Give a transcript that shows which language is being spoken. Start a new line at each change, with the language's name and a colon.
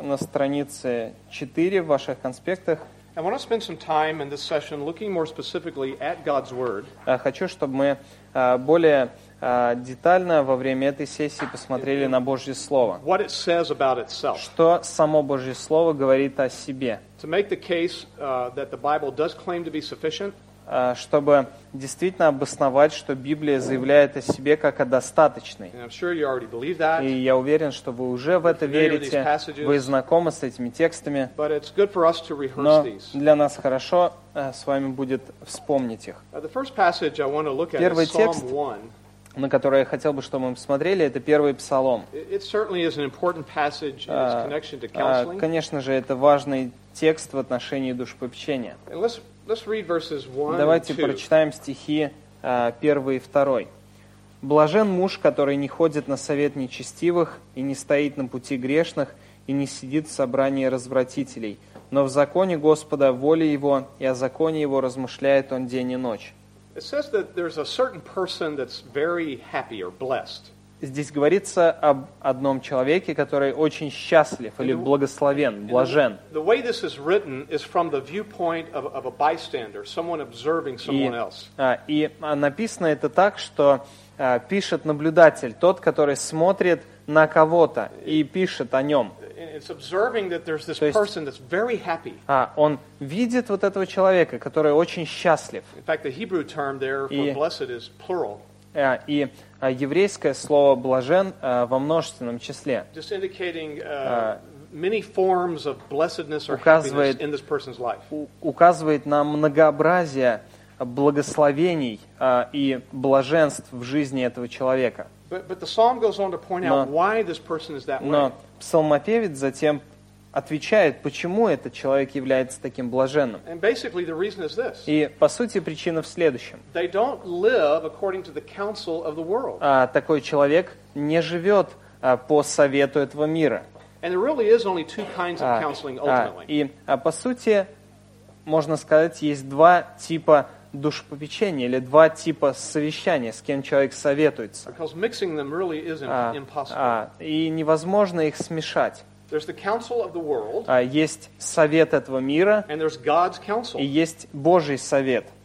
Russian: На странице 4 в ваших конспектах.
English: I want to spend some time in this session looking more specifically at God's word.
Russian: Хочу, чтобы мы более детально во время этой сессии посмотрели на Божье Слово.
English: What it says about itself.
Russian: Что само Божье Слово говорит о себе.
English: To make the case that the Bible does claim to be sufficient.
Russian: Чтобы действительно обосновать, что Библия заявляет о себе как о достаточной.
English: And I'm sure you already believe that.
Russian: И я уверен, что вы уже в это верите, вы знакомы с этими текстами.
English: But it's good for us to rehearse
Russian: но
English: these.
Russian: Для нас хорошо с вами будет вспомнить их.
English: The first passage I want to look at
Russian: первый
English: is Psalm 1.
Russian: На которое я хотел бы, чтобы мы посмотрели, это первый псалом.
English: It certainly is an important passage in its connection to counseling.
Russian: Конечно же, это важный текст в отношении душепопечения.
English: And let's read verses 1 and 2.
Russian: Давайте прочитаем стихи 1 и 2. «Блажен муж, который не ходит на совет нечестивых, и не стоит на пути грешных, и не сидит в собрании развратителей. Но в законе Господа воля его, и о законе его размышляет он день и ночь».
English: It says that there's a certain person that's very happy or blessed.
Russian: Здесь говорится об одном человеке, который очень счастлив или благословен, блажен.
English: The way this is written is from the viewpoint of a bystander, someone observing someone else.
Russian: И написано это так, что пишет наблюдатель, тот, который смотрит на кого-то и пишет о нем.
English: It's observing that there's this person that's very happy.
Russian: Он видит вот этого человека, который очень счастлив.
English: In fact, the Hebrew term there for blessed is plural.
Russian: И еврейское слово блажен во множественном числе.
English: Just indicating many forms of blessedness or happiness in this person's life.
Russian: Указывает на многообразие благословений и блаженств в жизни этого человека.
English: But the psalm goes on to point out why this person is that way.
Russian: Но псалмопевец затем отвечает, почему этот человек является таким блаженным.
English: And basically the reason is this.
Russian: И по сути причина в следующем.
English: They don't live according to the counsel of the world.
Russian: Такой человек не живет по совету этого мира.
English: And there really is only two kinds of counseling ultimately.
Russian: И по сути можно сказать, есть два типа душепопечения или два типа совещания, с кем человек советуется.
English: Really
Russian: и невозможно их смешать. Есть совет этого мира и есть Божий совет.